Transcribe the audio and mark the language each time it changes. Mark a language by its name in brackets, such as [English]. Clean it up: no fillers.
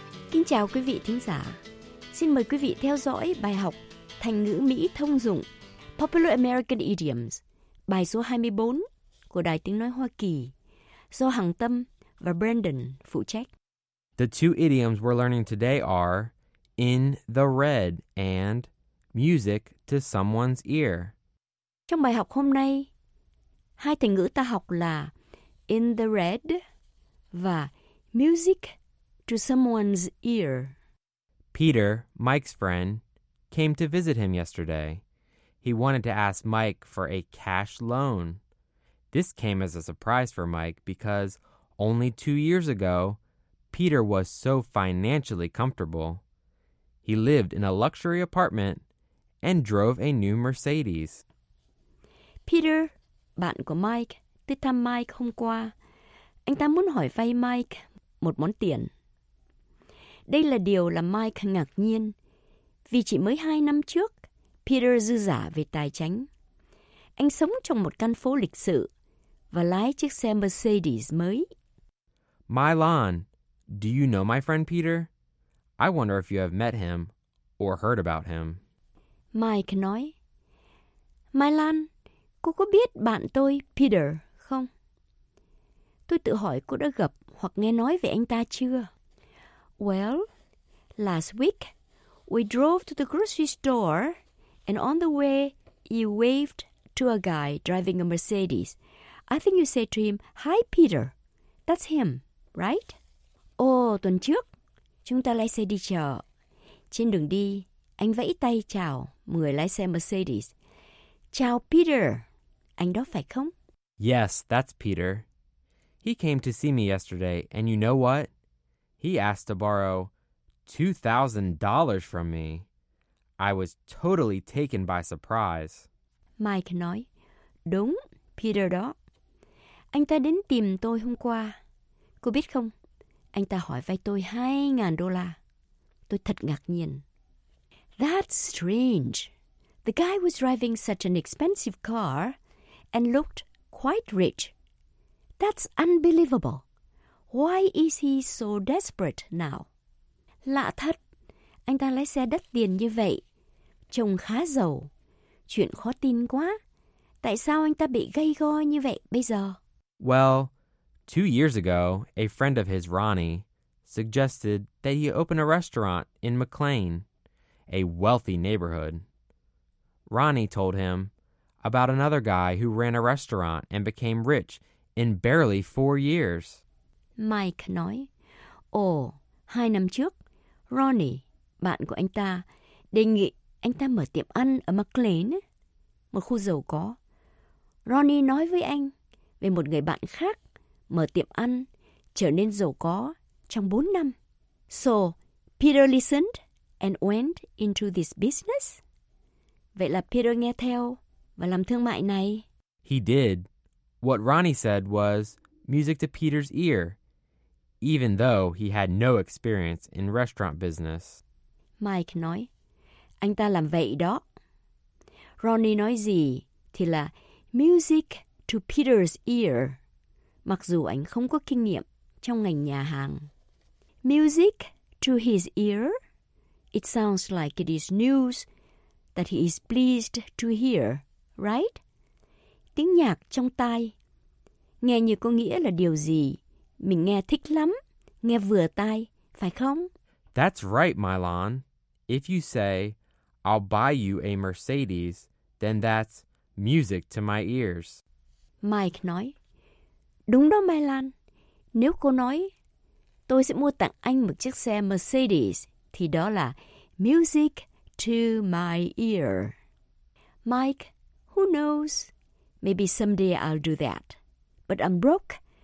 [Vietnamese] Kính chào quý vị thính giả. Xin mời quý vị theo dõi bài học thành ngữ Mỹ thông dụng [English] Popular American Idioms, [Vietnamese] bài số 24 của Đài Tiếng Nói Hoa Kỳ, do Hằng Tâm và Brandon phụ trách. [English] The two idioms we're learning today are in the red and music to someone's ear. [Vietnamese] Trong bài học hôm nay, hai thành ngữ ta học là [English] in the red [Vietnamese] và [English] music to someone's ear. Peter, Mike's friend, came to visit him yesterday. He wanted to ask Mike for a cash loan. This came as a surprise for Mike because only 2 years ago, Peter was so financially comfortable. He lived in a luxury apartment and drove a new Mercedes. [Vietnamese] Peter, bạn của Mike, tới thăm Mike hôm qua. Anh ta muốn hỏi vay Mike một món tiền. Đây là điều làm Mike ngạc nhiên, vì chỉ mới 2 năm trước, Peter dư giả về tài chính. Anh sống trong một căn phố lịch sự và lái chiếc xe Mercedes mới. [English] Milan, do you know my friend Peter? I wonder if you have met him or heard about him. [Vietnamese] Mike nói, Milan, cô có biết bạn tôi Peter không? Tôi tự hỏi cô đã gặp hoặc nghe nói về anh ta chưa? [English] Well, last week, we drove to the grocery store. And on the way, you waved to a guy driving a Mercedes. I think you said to him, Hi, Peter. That's him, right? [Vietnamese] Tuần trước, chúng ta lái xe đi chợ. Trên đường đi, anh vẫy tay chào người lái xe Mercedes. Chào Peter, anh đó phải không? [English] Yes, that's Peter. He came to see me yesterday, and you know what? He asked to borrow $2,000 from me. I was totally taken by surprise. [Vietnamese] Mike nói, đúng, Peter đó. Anh ta đến tìm tôi hôm qua. Cô biết không, anh ta hỏi vay tôi $2,000. Tôi thật ngạc nhiên. [English] That's strange. The guy was driving such an expensive car and looked quite rich. That's unbelievable. Why is he so desperate now? [Vietnamese] Lạ thật, anh ta lái xe đắt tiền như vậy. Trông khá giàu. Chuyện khó tin quá. Tại sao anh ta bị gay go như vậy bây giờ? [English] Well, 2 years ago, a friend of his, Ronnie, suggested that he open a restaurant in McLean, a wealthy neighborhood. Ronnie told him about another guy who ran a restaurant and became rich in barely 4 years. [Vietnamese] Mike nói, ồ, 2 năm trước, Ronnie, bạn của anh ta, đề nghị anh ta mở tiệm ăn ở McLean, một khu giàu có. Ronnie nói với anh về một người bạn khác mở tiệm ăn, trở nên giàu có trong 4 năm. [English] So, Peter listened and went into this business? [Vietnamese] Vậy là Peter nghe theo và làm thương mại này. [English] He did. What Ronnie said was music to Peter's ear, even though he had no experience in restaurant business. [Vietnamese] Mike nói, anh ta làm vậy đó. Ronnie nói gì thì là [English] music to Peter's ear, [Vietnamese] mặc dù anh không có kinh nghiệm trong ngành nhà hàng. [English] Music to his ear? It sounds like it is news that he is pleased to hear, right? [Vietnamese] Tiếng nhạc trong tai. Nghe như có nghĩa là điều gì? Mình nghe thích lắm, nghe vừa tai, phải không? [English] That's right, Milan. If you say, I'll buy you a Mercedes, then that's music to my ears. [Vietnamese] Mike nói, đúng đó, Milan. Nếu cô nói, tôi sẽ mua tặng anh một chiếc xe Mercedes, thì đó là [English] music to my ear. Mike, who knows? Maybe someday I'll do that. But I'm broke.